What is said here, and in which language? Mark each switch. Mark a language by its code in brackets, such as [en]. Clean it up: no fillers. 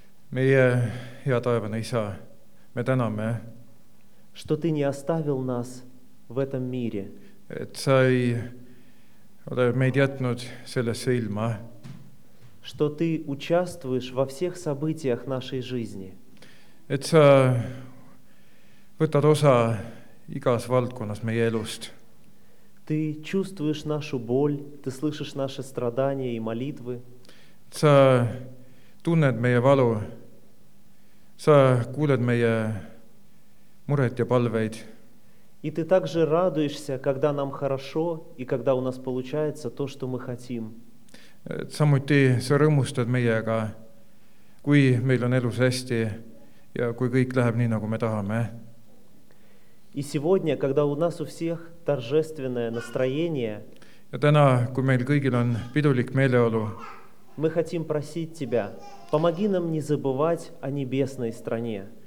[et] Meie hea taevane isa, me täname, [ru] что ты не оставил нас в этом мире. [et] Et sa ei Ole meid jätnud sellesse ilma. [ru] Что ты участвуешь во всех событиях нашей жизни. [et] Et sa võtad osa igas valdkonnas meie elust. [ru] Ты чувствуешь нашу боль, ты слышишь наши страдания и молитвы. [et] Sa tunned meie valu, sa kuuled meie muret ja palveid. [ru] И ты также радуешься, когда нам хорошо и когда у нас получается то, что мы хотим. [et] Samuti sa rõõmustad meiega, kui meil on elus hästi ja kui kõik läheb nii, nagu me tahame. [ru] И сегодня, когда у нас у всех торжественное настроение, [et] ja täna, kui meil kõigil on pidulik meeleolu, [ru] мы хотим просить Тебя, помоги нам не забывать о небесной стране.